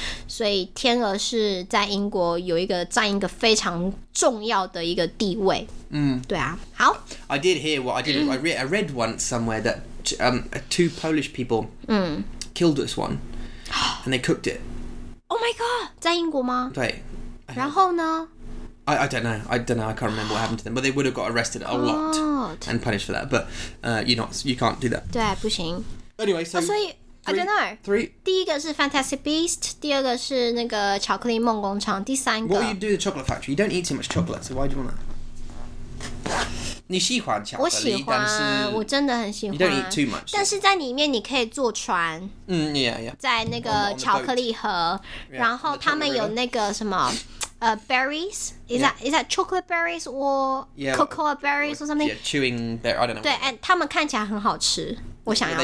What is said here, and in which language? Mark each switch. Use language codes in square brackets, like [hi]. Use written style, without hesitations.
[zh] 所以天鹅是在英国有一个占一个非常重要的一个地位。嗯，对啊。好。 [en] I did hear what I did. I read once somewhere that two Polish people killed this one, and they cooked it. Oh my god, [zh] 在英国吗? 对。然后呢? [en] I don't know. I can't remember what happened to them. But they would have got arrested a lot and punished for that. But you can't do that. [zh] 对,不行。 [en] Anyway, so... [zh] 所以, [en] three, I don't know. Three. [zh] 第一个是 Fantastic Beast, 第二个是那个巧克力梦工厂, 第三个... [en] What do you do the chocolate factory? You don't eat too much chocolate, so why do you want that? [zh] 我真的很喜欢。 [en] You don't eat too much. [zh] 但是在里面你可以坐船。 [en] Yeah. [zh] 在那个巧克力盒, [en] yeah, [zh] 然后他们有那个什么...berries? [en] Is that chocolate berries or cocoa berries or something? Yeah, chewing berries. I don't know. [zh] 对，他们看起来很好吃，我想要吃。